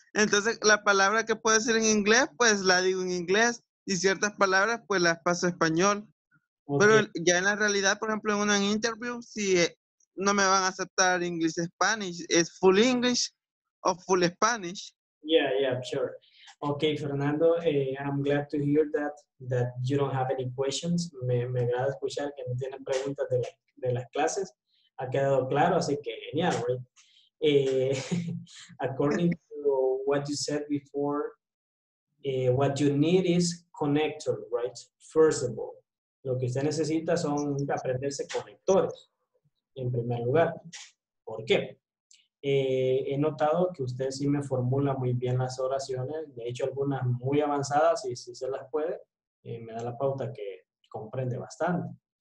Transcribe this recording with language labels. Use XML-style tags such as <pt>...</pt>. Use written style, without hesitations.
<es>Entonces la palabra que puedo decir en inglés, pues la digo en inglés. Y ciertas palabras, pues las paso a español.</es> <en>Okay.</en> <es>Pero ya en la realidad, por ejemplo, en una interview, si no me van a aceptar</es> <en>English Spanish,</en> <es>¿es</es> <en>full English</en> <es>o</es> <en>full Spanish? Yeah, sure. Okay, Fernando, I'm glad to hear that you don't have any questions.</en> <es>Me agrada escuchar que no tienen preguntas de las clases. Ha quedado claro, así que genial,</es> <en>right? According to what you said before, what you need is connector, right? First of all,</en> <es>lo que usted necesita son aprenderse conectores, en primer lugar. ¿Por qué? He notado que usted sí me formula muy bien las oraciones, de hecho algunas muy avanzadas y si se las puede, me da la pauta que comprende bastante.</es>